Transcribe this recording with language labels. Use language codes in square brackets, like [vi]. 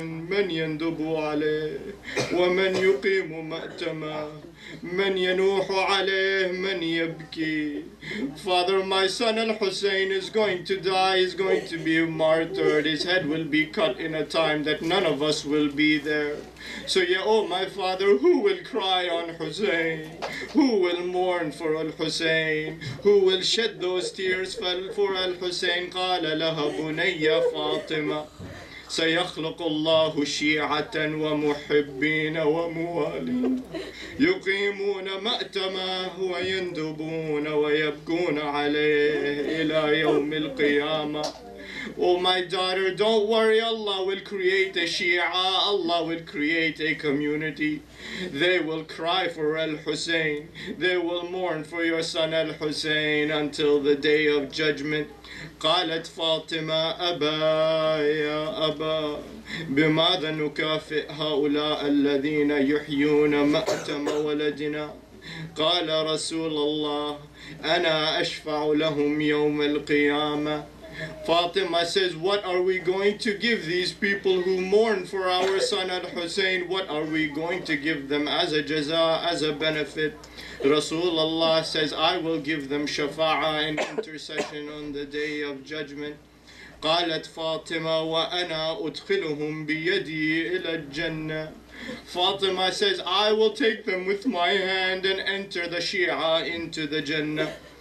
[ar] من يندب عليه ومن يقيم مأتمه من ينوح عليه من يبكي. [en] Father, my son Al-Hussein is going to die. He's going to be martyred. His head will be cut in a time that none of us will be there. So, yeah, oh my father, who will cry on Hussein? Who will mourn for Al-Hussein? Who will shed those tears for Al-Hussein? [ar] قَالَ لَهَا بُنَيَّ فَاطِمَةً سَيَخْلُقُ اللَّهُ شِيعَةً وَمُحِبِّينَ وَمُوَالِينَ يُقِيمُونَ مَأْتَمَهُ وَيَنْدُبُونَ وَيَبْكُونَ عَلَيْهِ إِلَى يَوْمِ الْقِيَامَةِ. [en] Oh my daughter, don't worry, Allah will create a Shia, Allah will create a community. They will cry for Al-Hussein, they will mourn for your son Al-Hussein until the day of judgment. [ar] قالت فاطمة أبا يا أبا بماذا نكافئ هؤلاء الذين يحيون مأتم ولدنا؟ قال رسول الله أنا أشفع لهم يوم القيامة. [en] Fatima says, what are we going to give these people who mourn for our son Al-Hussein? What are we going to give them as a jaza, as a benefit? Rasulullah says, I will give them shafa'a and intercession on the day of judgment. [ar] قالت فاطمة وأنا أدخلهم بيدي إلى الجنة. [en] Fatima says, I will take them with my hand and enter the Shia into the Jannah.